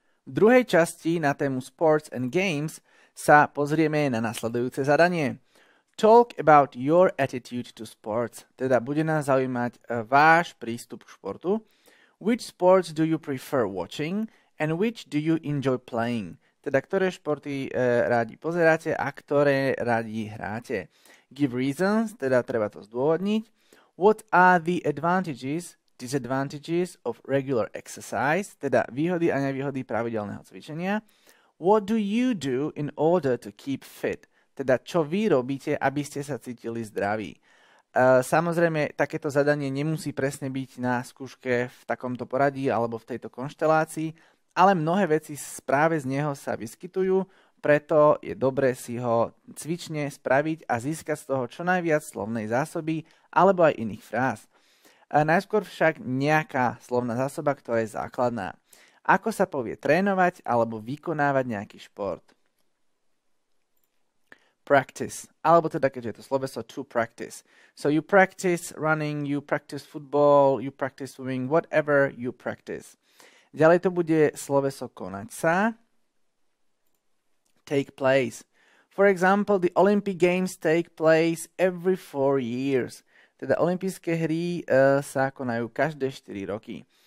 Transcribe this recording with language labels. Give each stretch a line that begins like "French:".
Slovak: V druhej časti na tému
English: Sports and Games
Slovak: sa pozrieme na nasledujúce zadanie.
English: Talk about your attitude to sports,
Slovak: teda bude nás zaujímať váš prístup k športu.
English: Which sports do you prefer watching and which do you enjoy playing?
Slovak: Teda ktoré športy rádi pozeráte a ktoré rádi hráte.
English: Give reasons,
Slovak: teda treba to zdôvodniť.
English: What are the advantages, disadvantages of regular exercise,
Slovak: teda výhody a nevýhody pravidelného cvičenia.
English: What do you do in order to keep fit,
Slovak: teda čo vy robíte, aby ste sa cítili zdraví. Samozrejme, takéto zadanie nemusí presne byť na skúške v takomto poradí alebo v tejto konštelácii, ale mnohé veci práve z neho sa vyskytujú, preto je dobré si ho cvične spraviť a získať z toho čo najviac slovnej zásoby alebo aj iných fráz. Najskôr však nejaká slovná zásoba, ktorá je základná. Ako sa povie trénovať alebo vykonávať nejaký šport? Practice. Alebo teda, keďže je to sloveso, to practice.
English: So you practice running, you practice football, you practice swimming, whatever you practice.
Slovak: Ďalej to bude sloveso konať sa.
English: Take place. For example, the Olympic Games take place every 4 years.
Slovak: Teda olympijské hry sa konajú každé 4 roky.